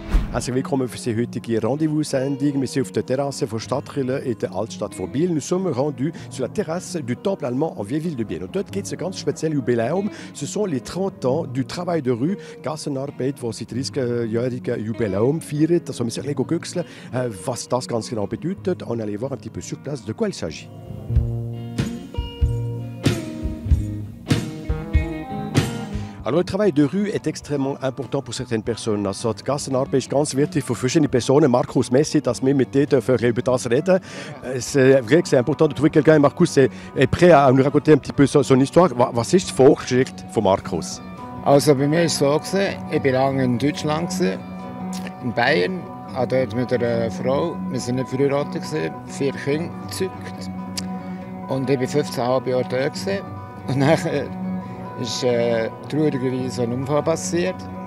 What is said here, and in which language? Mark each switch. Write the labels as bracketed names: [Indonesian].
[German] Herzlich willkommen für die heutige Rendezvous-Sendung. Wir sind auf der Terrasse von Stadtkirchen in der Altstadt von Biel. [French] Nous sommes rendus sur la terrasse du Temple allemand en Vieille-Ville de Biel. [German] Und dort gibt es ein ganz spezielles Jubiläum. [French] Ce sont les 30 ans du travail de rue, [German] Gassenarbeit, wo sie 30-jährige Jubiläum feiert. Also wir sollten gucken, was das ganz genau bedeutet. [French] On allait voir un petit peu sur place de quoi il s'agit. Alors, le travail de rue est extrêmement important pour certaines personnes. [German] Also, die Gassenarbeit ist ganz wichtig für verschiedene Personen. Markus Messi, dass wir mit dir dürfen über das reden. [French] C'est vrai que c'est important de trouver quelqu'un. Markus est prêt à nous raconter un petit peu son histoire. [German] Was ist die Vorgeschichte von Markus? Also, bei mir ist es so gewesen. Ich war lange in Deutschland, in Bayern. Dort mit einer Frau. Wir waren nicht verheiratet gewesen. Vier Kinder gezeugt. Und ich war 15,5 Jahre dort gewesen. Und nachher ist traurigerweise ein Unfall passiert.